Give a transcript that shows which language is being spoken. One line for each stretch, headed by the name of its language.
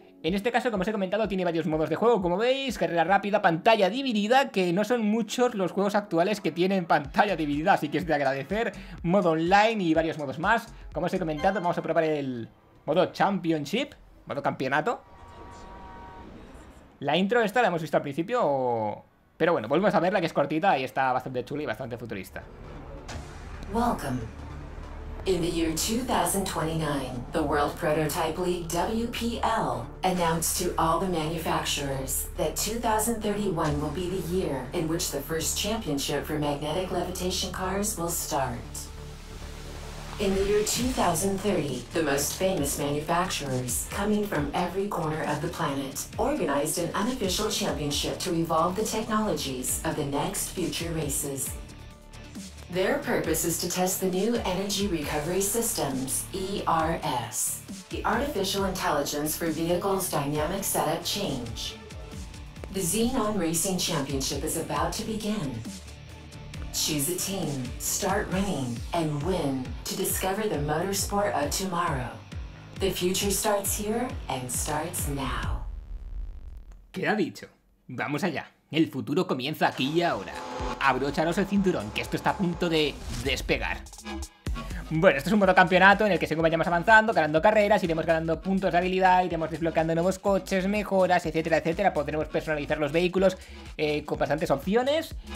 Spanish: En este caso, como os he comentado, tiene varios modos de juego. Como veis, carrera rápida, pantalla dividida, que no son muchos los juegos actuales que tienen pantalla dividida, así que es de agradecer. Modo online y varios modos más. Como os he comentado, vamos a probar el modo championship, modo campeonato. La intro esta la hemos visto al principio, pero bueno, volvemos a verla, que es cortita y está bastante chula y bastante futurista.
English: Welcome. In the year 2029, the World Prototype League WPL announced to all the manufacturers that 2031 will be the year in which the first championship for magnetic levitation cars will start. In the year 2030, the most famous manufacturers coming from every corner of the planet organized an unofficial championship to evolve the technologies of the next future races. Their purpose is to test the new energy recovery systems, ERS, the artificial intelligence for vehicles' dynamic setup change. The Xenon Racing Championship is about to begin. Choose a team, start running, and win to discover the motorsport of tomorrow. The future starts here and starts now.
Spanish: ¿Qué ha dicho? Vamos allá. El futuro comienza aquí y ahora. Abrocharos el cinturón, que esto está a punto de despegar. Bueno, esto es un modo campeonato en el que según vayamos avanzando, ganando carreras, iremos ganando puntos de habilidad, iremos desbloqueando nuevos coches, mejoras, etcétera, etcétera. Podremos personalizar los vehículos con bastantes opciones.